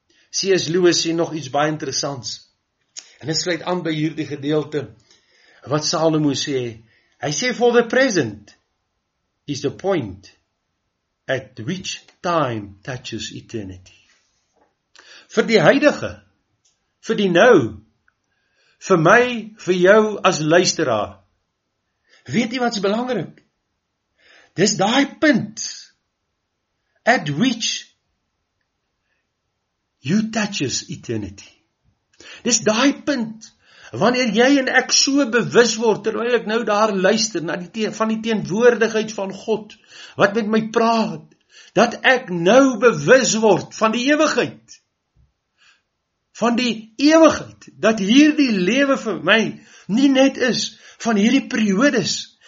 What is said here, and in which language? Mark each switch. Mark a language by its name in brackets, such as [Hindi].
[Afrikaans] C.S. Lewis sê nog iets baie interessants, en dit sluit aan by hierdie gedeelte, wat Salomo sê, hy sê, [English] for the present is the point at which time touches eternity. [Afrikaans] Vir die huidige, vir die nou, vir my, vir jou as luisteraar, weet jy wat is belangrik? Dis daai punt, [English] at which you touches eternity. [Afrikaans] Dis daai punt, wanneer jy en ek so bewus word, terwyl ek nou daar luister, na die van die teenwoordigheid van God, wat met my praat, dat ek nou bewus word van die ewigheid, van die ewigheid, dat hierdie lewe vir my nie net is van hierdie periodes